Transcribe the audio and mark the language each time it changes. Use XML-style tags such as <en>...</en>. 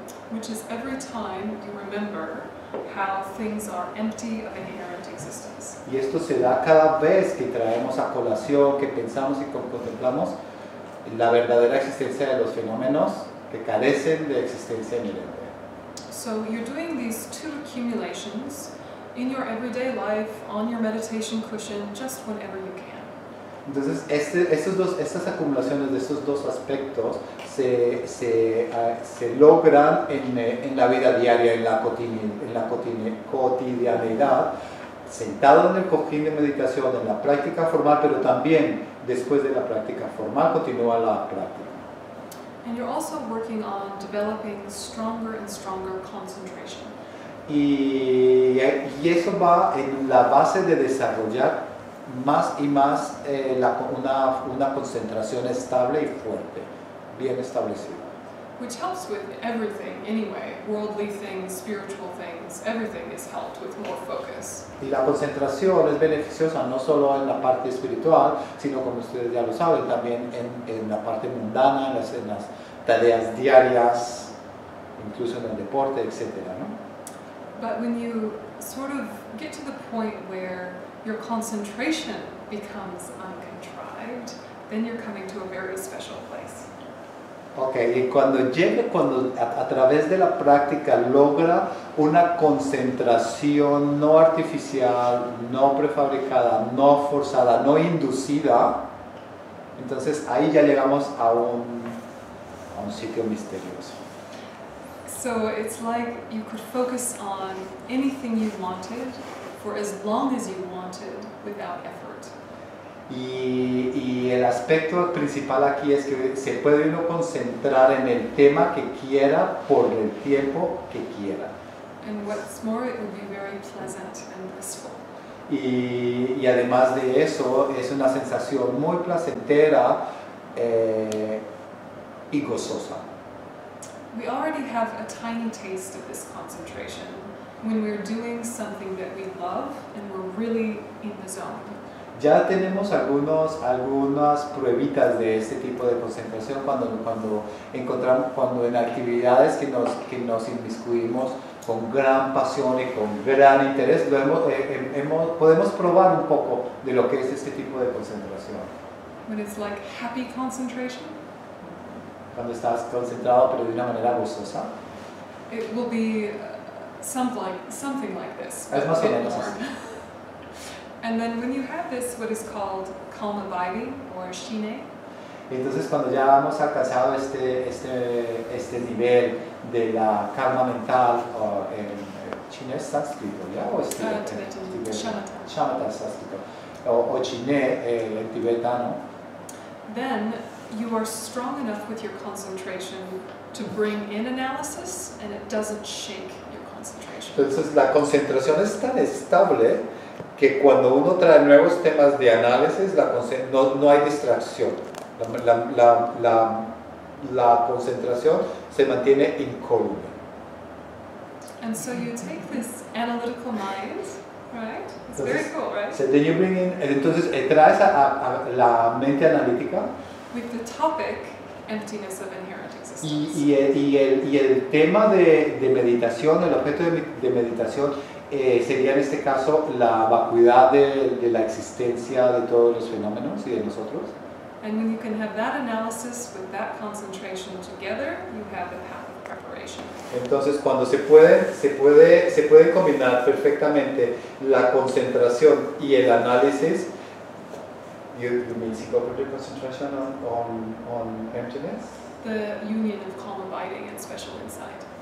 <en>Which is every time you remember how things are empty of inherent existence.</en> <es>Y esto se da cada vez que traemos a colación, que pensamos y contemplamos la verdadera existencia de los fenómenos que carecen de existencia inherente.</es> <en>So you're doing these two accumulations in your everyday life on your meditation cushion just whenever you can.</en> <es>Entonces estas acumulaciones de estos dos aspectos se logran en la vida diaria, en la cotidianeidad, sentado en el cojín de meditación, en la práctica formal, pero también después de la práctica formal continúa la práctica.</es> <en>And you're also working on developing stronger and stronger concentration.</en> <es>Y eso va en la base de desarrollar más y más una concentración estable y fuerte, bien establecida.</es> <en>Which helps with everything anyway, worldly things, spiritual things, everything is helped with more focus.</en> <es>Y la concentración es beneficiosa no solo en la parte espiritual, sino como ustedes ya lo saben, también en la parte mundana, en las tareas diarias, incluso en el deporte, etc. ¿No?</es> <en>But when you sort of get to the point where your concentration becomes uncontrived, then you're coming to a very special place.</en> <es>Okay, y cuando a través de la práctica logra una concentración no artificial, no prefabricada, no forzada, no inducida, entonces ahí ya llegamos a un sitio misterioso.</es> <en>So it's like you could focus on anything you wanted for as long as you wanted without effort.</en> <es>Y el aspecto principal aquí es que se puede uno concentrar en el tema que quiera por el tiempo que quiera.</es> <en>And what's more, it will be very pleasant and blissful.</en> <es>Y además de eso, es una sensación muy placentera y gozosa.</es> <en>We already have a tiny taste of this concentration when we're doing something that we love and we're really in the zone.</en> <es>Ya tenemos algunas pruebitas de este tipo de concentración cuando en actividades que nos inmiscuimos con gran pasión y con gran interés, podemos probar un poco de lo que es este tipo de concentración.</es> <en>When it's like happy concentration,</en> <es>cuando estás concentrado pero de una manera gozosa,</es> <en>it will be something like this.</en> <es>Es más o menos así.</es> <en>And then when you have this, what is called calm abiding or shine.</en> <es>Entonces cuando ya hemos alcanzado este nivel de la calma mental o en chine sánscrito, ya o este tibetano, shamatha sánscrito o chine en tibetano.</es> <en>Then you are strong enough with your concentration to bring in analysis, and it doesn't shake your concentration.</en> <es>Entonces la concentración es tan estable que cuando uno trae nuevos temas de análisis, no hay distracción. La concentración se mantiene incólume.</es> <en>And so you take this analytical mind, right? It's</en> <es>entonces,</es> <en>very cool, right? So then you bring in,</en> <es>entonces traes a la mente analítica.</es> <en>With the topic, emptiness of inherent existence.</en> <es>Y el tema de meditación, el objeto de meditación, sería en este caso la vacuidad de la existencia de todos los fenómenos y de nosotros.</es> <en>And when you can have that analysis with that concentration together, you have the path of preparation.</en> <es>Entonces, cuando se puede combinar perfectamente la concentración y el análisis.</es> <en>You mean psychological concentration on emptiness? The union of calm abiding and special insight.</en>